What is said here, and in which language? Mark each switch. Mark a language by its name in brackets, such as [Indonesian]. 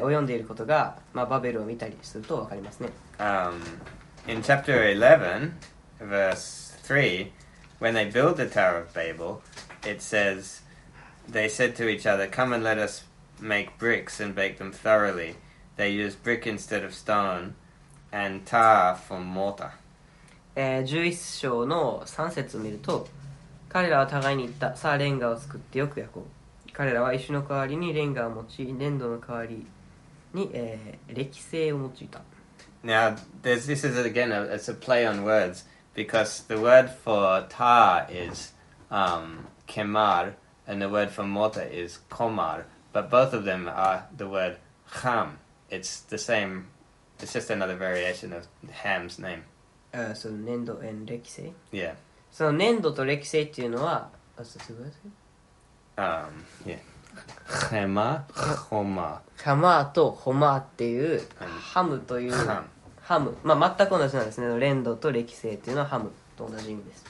[Japanese] なので、そのハムにかけられた呪いというのは子孫を見てカナンだけじゃなくて、ハムの子孫全体的に及んでいることが、バベルを見たりするとわかりますね。 [English] In chapter 11, verse 3, when they build the Tower of Babel, it says, they said to each other, come and let us make bricks and bake them thoroughly. They used brick instead of stone and tar for mortar. [Japanese] 11章の3節を見ると、彼らは互いに言った。さあ、レンガを作ってよく焼こう。彼らは石の代わりにレンガを用い、粘土の代わりに、礫製を用いた。 [English] Now, this is again, it's a play on words, because the word for tar is kemar, and the word for mortar is komar, but both of them are the word ham. It's the same, it's just another variation of Ham's name. [Japanese] その粘土 and 歴性 [English] Yeah. [Japanese] その粘土と歴性っていうのは、あ、すごいですか Yeah. ヘマ、ホマ。ハマとホマっていう、ハムという、ハム。まあ、全く同じなんですね。粘土と歴性っていうのはハムと同じ意味です。